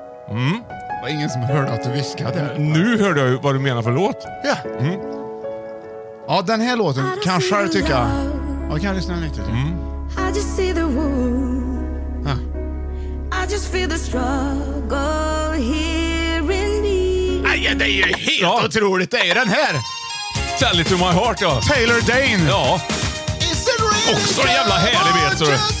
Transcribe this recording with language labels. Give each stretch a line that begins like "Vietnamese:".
Swedish: Mm. Det var ingen som hörde att du viskade. Nu hörde jag vad du menar för låt. Ja. Mm. Ja, den här låten kanske jag tycker. Ja, kan jag lyssna lite till. Mm.
English: I just see the wound.
Swedish: Ja.
English: I just feel the struggle here in me.
Swedish: Aj, det är ju helt otroligt. Det är den här.
English: Tell it to my heart, ja. Taylor Dane.
Swedish: Ja. Is it really också en jävla härlig vet du.